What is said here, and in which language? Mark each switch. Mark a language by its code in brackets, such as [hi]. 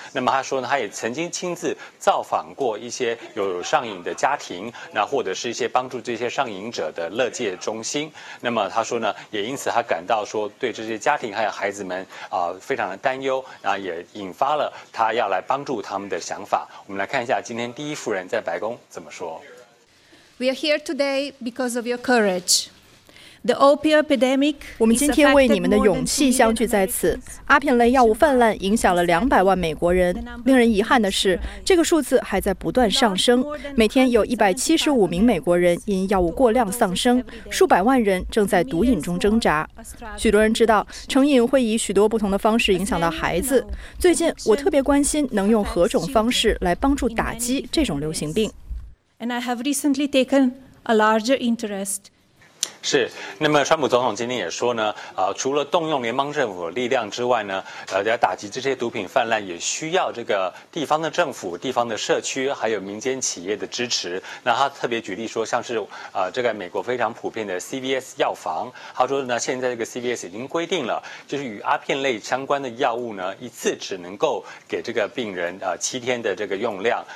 [zh] 那么他说呢，他也曾经亲自造访过一些有上瘾的家庭，那或者是一些帮助这些上瘾者的乐戒中心。那么他说呢，也因此他感到说对这些家庭还有孩子们非常的担忧，那也引发了他要来帮助他们的想法。我们来看一下今天第一夫人在白宫怎么说。 [en] We are here today because of your courage. The opioid epidemic. [zh] 我们今天为你们的勇气相聚在此。阿片类药物泛滥影响了200万美国人。令人遗憾的是，这个数字还在不断上升。每天有175名美国人因药物过量丧生，数百万人正在毒瘾中挣扎。许多人知道，成瘾会以许多不同的方式影响到孩子。最近，我特别关心能用何种方式来帮助打击这种流行病。 [en] And I have recently taken a larger interest. [zh] 是，那么川普总统今天也说呢，除了动用联邦政府的力量之外呢，要打击这些毒品泛滥，也需要这个地方的政府、地方的社区，还有民间企业的支持。那他特别举例说，像是这个美国非常普遍的 CVS 药房，他说呢，现在这个 CVS 已经规定了，就是与阿片类相关的药物呢，一次只能够给这个病人7天的这个用量。